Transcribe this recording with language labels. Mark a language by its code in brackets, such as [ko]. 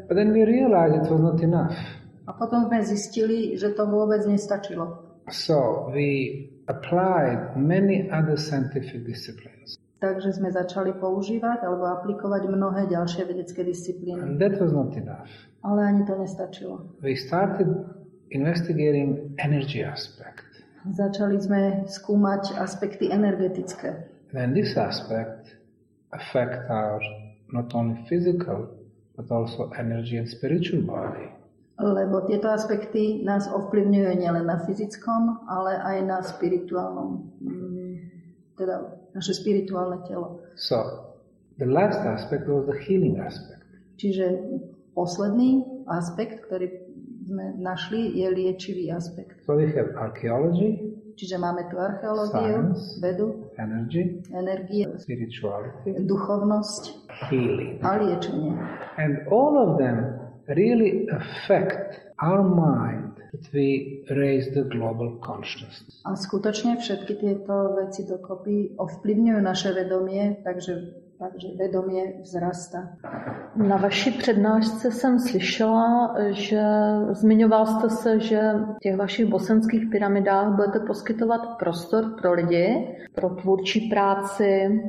[en] But then we realized it was not enough. [sk] A potom sme zistili, že to vôbec nestačilo. [en] So we applied many other scientific disciplines. [sk] Takže sme začali používať alebo aplikovať mnohé ďalšie vedecké disciplíny. [en] And that was not enough. [sk] Ale ani to nestačilo. [en] We started investigating energy aspect. [sk] Začali sme skúmať aspekty energetické. [en] Then this aspect affect our not only physical, but also energy and spiritual body. [sk] Lebo tieto aspekty nás ovplyvňujú nielen na fyzickom, ale aj na spirituálnom, teda naše spirituálne telo. [en] So, the last aspect was the healing aspect. [sk] Čiže posledný aspekt, ktorý sme našli, je liečivý aspekt. [en] So we have archaeology. [sk] Čiže máme tu archeológiu, vedu, [en] energy, [sk] energie, [en] spirituality, [sk] duchovnosť, [en] healing, [sk] a liečenie. [en] And all of them really affect our mind that we raise the global consciousness. [sk] A skutočne všetky tieto veci dokopy ovplyvňujú naše vedomie, takže vedomie vzrasta. [cs] Na vaší přednášce jsem slyšela, že zmiňoval jste se, že v těch vašich bosenských pyramidách budete poskytovat prostor pro lidi, pro tvůrčí práci.